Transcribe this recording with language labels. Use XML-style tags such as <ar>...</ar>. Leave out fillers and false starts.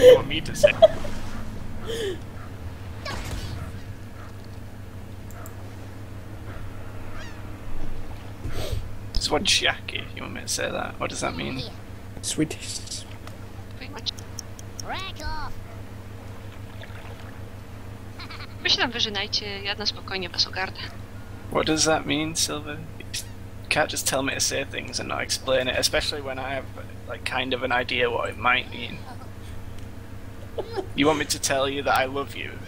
<en>I want me to say Swanciaki, you want me to say that? What does that mean? Swedish. Pretty much.</en> <pl>Wy się tam wyżynajcie, ja na spokojnie was ogarnę.</pl> <en>What does that mean, Silver? You can't just tell me to say things and not explain it, especially when I have, like, kind of an idea what it might mean. You want me to tell you that I love you?</en>